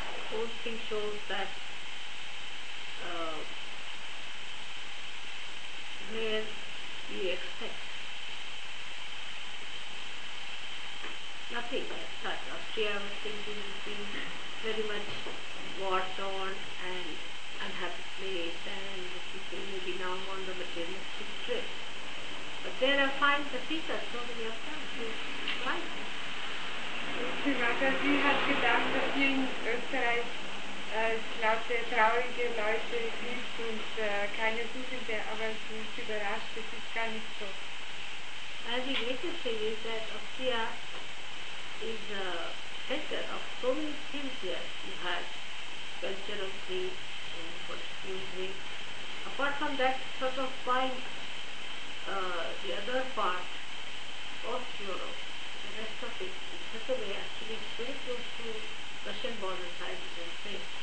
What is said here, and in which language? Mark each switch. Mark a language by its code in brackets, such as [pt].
[en] the whole thing shows that where we expect nothing as such. Austria was thinking of being very much war-torn and unhappy place, and the people may be now on the materialistic trip. But there I find the teacher, so many of them, who find them. [de] Shri Mataji hat gedacht, dass hier in Österreich glaubt, der traurige Leute gibt und keine Suchen mehr, aber sie ist überrascht, das ist gar nicht so. [en] Well, the greatest thing is that Austria is a center of so many things here. You have culture of Greece, Polish music. Apart from that, sort of find the other part of Europe, the rest of it, in such a way actually it's very close to Russian border side, you can say.